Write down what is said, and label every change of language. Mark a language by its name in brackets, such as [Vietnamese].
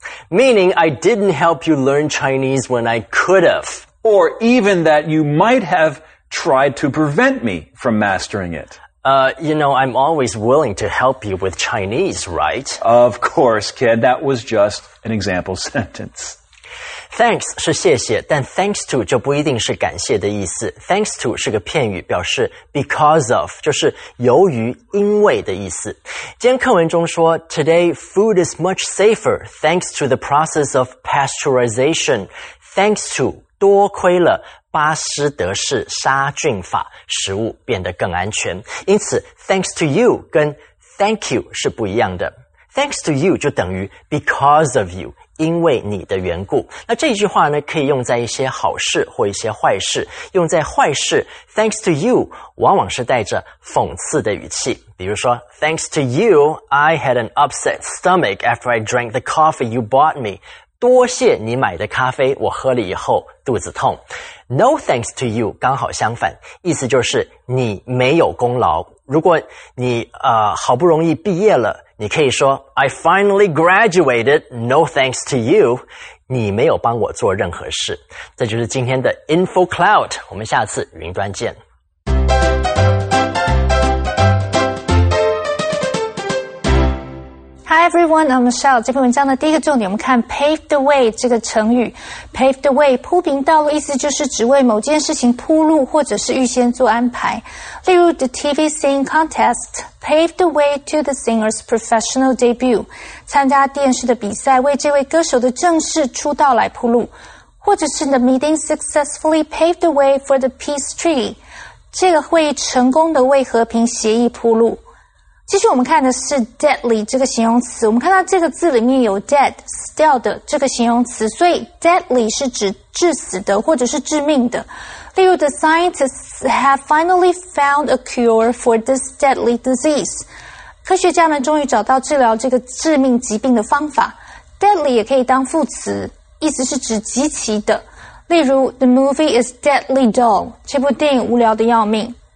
[English] Meaning, I didn't help you learn Chinese when I could have. Or even that you might have tried to prevent me from mastering it. I'm always willing to help you with Chinese, right? Of course, kid. That was just an example sentence. [Chinese] Thanks 是谢谢，但 thanks to 就不一定是感谢的意思。 Thanks to 是个片语，表示 because of 就是由于、因为的意思。今天课文中说 [English] ，Today food is much safer thanks to the process of pasteurization. [Chinese] Thanks to 多亏了巴斯德式杀菌法，食物变得更安全。因此 ，thanks to you 跟 thank you 是不一样的。 [English] Thanks to you [Chinese] 就等于 [English] because of you。 [Chinese] 因为你的缘故，那这句话呢，可以用在一些好事或一些坏事。用在坏事 ，thanks to you， 往往是带着讽刺的语气。比如说 [English] ，thanks to you， I had an upset stomach after I drank the coffee you bought me。 [Chinese] 多谢你买的咖啡，我喝了以后肚子痛。 [English] No thanks to you， [Chinese] 刚好相反，意思就是你没有功劳。如果你好不容易毕业了。你可以说 [English] I finally graduated, no thanks to you. [Chinese] 你没有帮我做任何事。这就是今天的 Info Cloud, 我们下次云端见。 [English] Hi everyone, I'm Michelle. [Chinese] 这篇文章的第一个重点我们看 pave the way 这个成语。 pave the way, 铺平道路意思就是只为某件事情铺路或者是预先做安排。例如 [English] the TV Singing Contest paved the way to the singer's professional debut, [Chinese] 参加电视的比赛为这位歌手的正式出道来铺路。或者是 [English] the meeting successfully paved the way for the peace treaty, [Chinese] 这个会议成功的为和平协议铺路。继续我们看的是 deadly 这个形容词，我们看到这个字里面有 dead 死掉的这个形容词，所以 deadly 是指致死的或者是致命的。例如 [English] the scientists have finally found a cure for this deadly disease， [Chinese] 科学家们终于找到治疗这个致命疾病的方法。 deadly 也可以当副词，意思是指极其的。例如 [English] the movie is deadly dull， [Chinese] 这部电影无聊的要命。